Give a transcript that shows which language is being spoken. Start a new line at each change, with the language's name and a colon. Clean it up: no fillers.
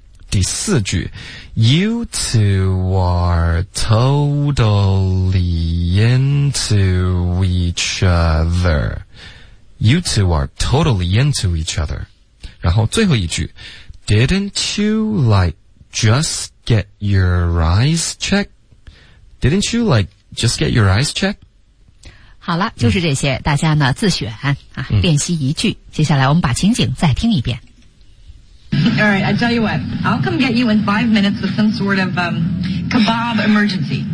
Chinese: 第四句
English: You two are totally into each other. You two are totally into each other.
Chinese: 然后最后一句
English: Didn't you like just get your eyes checked? Didn't you like just get your eyes checked?
Chinese: 好了，就是这些，大家呢自选啊，练习一句。接下来我们把情景再听一遍。
English: All right, I tell you what, I'll come get you in 5 minutes with some sort of kebab emergency.